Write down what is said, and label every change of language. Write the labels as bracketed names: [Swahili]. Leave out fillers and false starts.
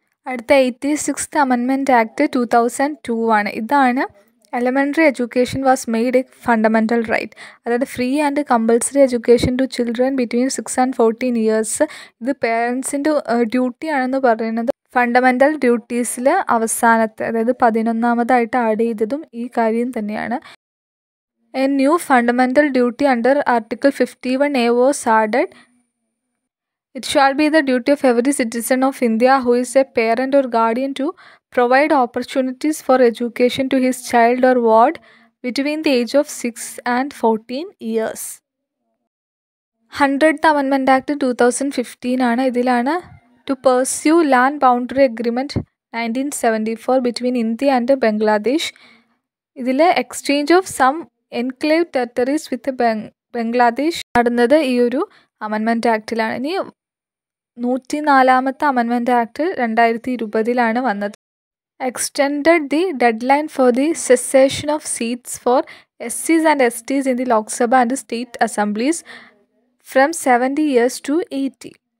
[English] അടുത്ത 86th amendment act 2002 ആണ്, ഇതാണ് elementary education was made a fundamental right, അതായത് free and compulsory education to children between 6 and 14 years. [Malayalam] ഇത് പേരൻസിൻ്റെ ഡ്യൂട്ടിയാണെന്ന് പറയുന്നത് fundamental ഡ്യൂട്ടീസിൽ അവസാനത്തെ, അതായത് 11th ആഡ് ചെയ്തതും ഈ കാര്യം തന്നെയാണ്. [English] A new fundamental duty under article 51A was added. It shall be the duty of every citizen of India who is a parent or guardian to provide opportunities for education to his child or ward between the age of 6 and 14 years. 100th Amendment Act 2015 is to pursue land boundary agreement 1974 between India and Bangladesh. It is exchange of some enclave territories with Bangladesh. [Malayalam] നടന്നത് ഈ ഒരു amendment ആക്റ്റിലാണ്. ഇനി 104th amendment act 2020 വന്നത്. [English] Extended the dead line for the cessation of seats four SCs and ST's in the Lok Sabha and state assemblies from 70 years to 80.